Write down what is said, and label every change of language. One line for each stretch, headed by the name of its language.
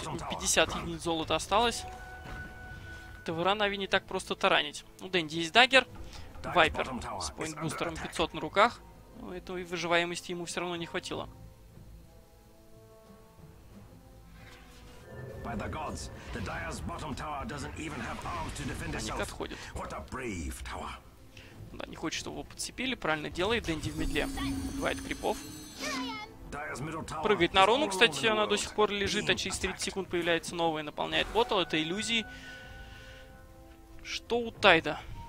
Russian: 50 единиц золота осталось. ТВР на Вине так просто таранить. У Дэнди есть Даггер. Вайпер с Point Booster 500 на руках. Но этой выживаемости ему все равно не хватило.
English: By the gods, the Dire's bottom tower doesn't even have arms to defend itself.
Russian: Они отходят.
English: What a brave tower.
Russian: Да, не хочет, чтобы его подцепили. Правильно делает. Дэнди в медле. Убивает крипов. Прыгает на руну. Кстати, она до сих пор лежит, а через 30 секунд появляется новая, наполняет ботл. Это иллюзии. Что у Тайда?